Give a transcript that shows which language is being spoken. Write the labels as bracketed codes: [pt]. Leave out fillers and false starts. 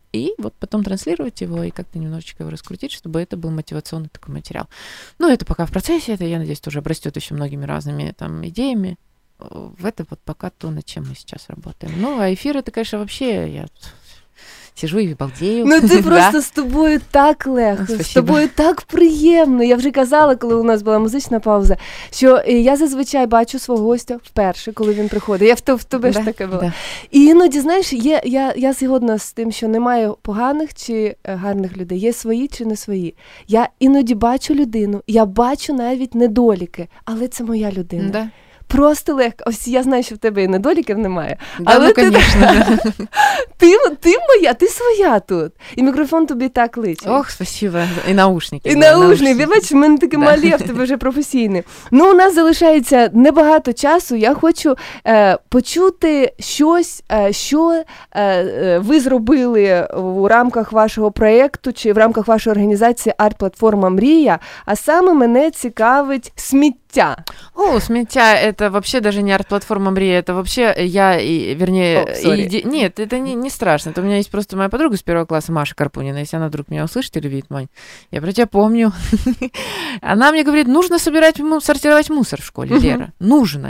[ru] И вот потом транслировать его и как-то немножечко его раскрутить, чтобы это был мотивационный такой материал. Ну, это пока в процессе, это, я надеюсь, тоже обрастет еще многими разными там идеями. Это вот пока то, над чем мы сейчас работаем. Ну, а эфир, это, конечно, вообще, я сижу и балдею. Ну, ты просто с тобой так легко, с тобой так приємно. [uk] Я вже казала, коли у нас була музична пауза, що я зазвичай бачу свого гостя вперше, коли він приходить. Я в тебе ж таке була. І іноді, знаєш, я згодна з тим, що немає поганих чи гарних людей. Є свої чи не свої. Я іноді бачу людину, я бачу навіть недоліки, але це моя людина. [ru] Да. [uk] Просто легко. Ось я знаю, що в тебе і недоліків немає. Да, але ну, звісно. Ти моя, ти своя тут. І мікрофон тобі так личить. [ru] Ох, спасибо. І наушники. [uk] І наушники. Бач, в мене такі малі, а в тебе вже професійні. Ну, у нас залишається небагато часу. Я хочу почути щось, що ви зробили у рамках вашого проєкту чи в рамках вашої організації «Арт-платформа Мрія». А саме мене цікавить сміття. [ru] О, сміття – это вообще даже не арт-платформа Мрія, это вообще я, и, вернее... Нет, это не страшно. Это у меня есть просто моя подруга с первого класса, Маша Карпунина. Если она вдруг меня услышит или видит, Мань, я про тебя помню. Она мне говорит, нужно сортировать мусор в школе, Лера. Нужно.